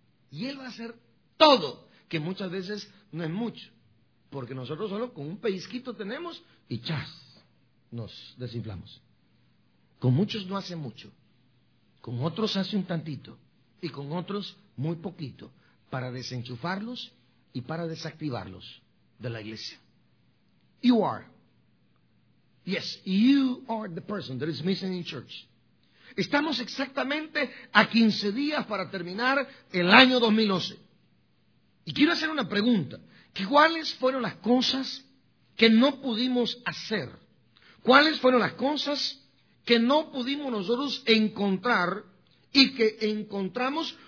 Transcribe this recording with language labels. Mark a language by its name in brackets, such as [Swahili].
[Spanish] Y Él va a hacer todo, que muchas veces no es mucho, porque nosotros solo con un pellizquito tenemos y chas, nos desinflamos. Con muchos no hace mucho, con otros hace un tantito y con otros muy poquito para desenchufarlos y para desactivarlos de la iglesia. [English] You are. Yes, you are the person that is missing in church. [Spanish] Estamos exactamente a 15 días para terminar el año 2011. Y quiero hacer una pregunta. ¿Cuáles fueron las cosas que no pudimos hacer? ¿Cuáles fueron las cosas que no pudimos nosotros encontrar y que encontramos?